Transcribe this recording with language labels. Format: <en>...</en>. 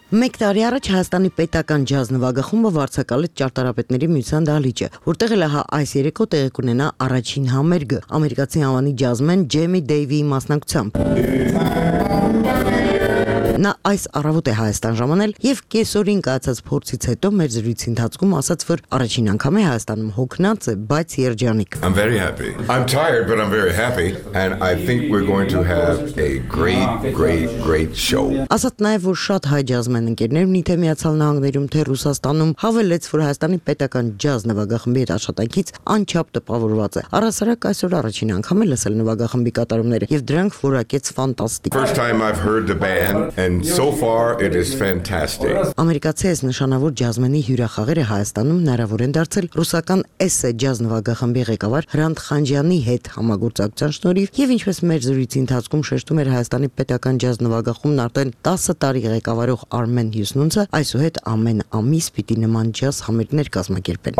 <hy>Մեկ տարի առաջ Հայաստանի պետական ջազ նվագախումբը վարձակալ է ճարտարապետների միության դահլիճը, որտեղ էլ ահա այս երեկո տեղի կունենա առաջին համերգը, ամերիկացի ավանի ջազմեն Ջեմի Դեյվիի մասնակցությամբ։ Նա այս առավոտ է Հայաստան ժամանել և կեսօրին կայացած փորձից հետո մեր զրույցի ընթացքում ասաց, որ առաջին անգամ է Հայաստանում հոգնած է, բայց երջանիկ։</hy> <en>I'm very happy. I'm tired, but I'm very happy and I think we're going to have a great show.</en> <hy>Ասաց նաև, որ շատ հայ ջազմեն ընկերներ ունի թե Միացյալ Նահանգներում, թե Ռուսաստանում, հավելեց, որ Հայաստանի պետական ջազ նվագախմբի հետ աշխատանքից անչափ տպավորված է։ Առհասարակ այսօր առաջին անգամ է լսել նվագախմբի կատարումները և դրանք որակեց ֆանտաստիկ։</hy> <en>First time I've heard the band. And so far it is fantastic.</en> <hy>Ամերիկացի այս նշանավոր ջազմենի հյուրախաղերը Հայաստանում հնարավոր են դարձել ռուսական ՍՍ ջազ նվագախմբի ղեկավար Հրանտ Խանջյանի հետ համագործակցության շնորհիվ, եւ ինչպես մեր զրույցի ընթացքում շեշտում էր Հայաստանի պետական ջազ նվագախումբն արդեն 10 տարի ղեկավարող Արմեն Հյուսնունցը, այսուհետ ամեն ամիս պիտի նման ջազ համերգներ կազմակերպեն։</hy>